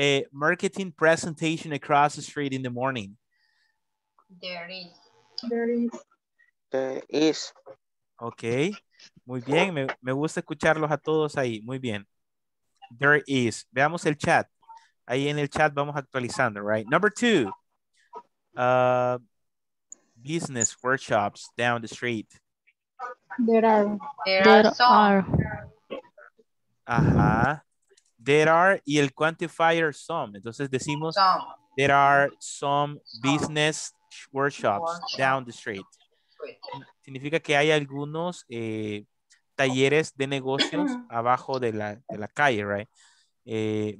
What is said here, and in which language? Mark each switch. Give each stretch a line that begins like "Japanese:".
English: Marketing presentation across the street in the morning. There is.
Spanish: Ok, muy bien, me gusta escucharlos a todos ahí, muy bien. There is, veamos el chat. Ahí en el chat vamos actualizando, right?
English: Number two, business workshops down the street. There are.
Spanish: Ajá. There are, y el quantifier some. Entonces decimos
English: some. There are some business workshops down the street.
Spanish: Significa que hay algunos talleres de negocios abajo de la calle, right?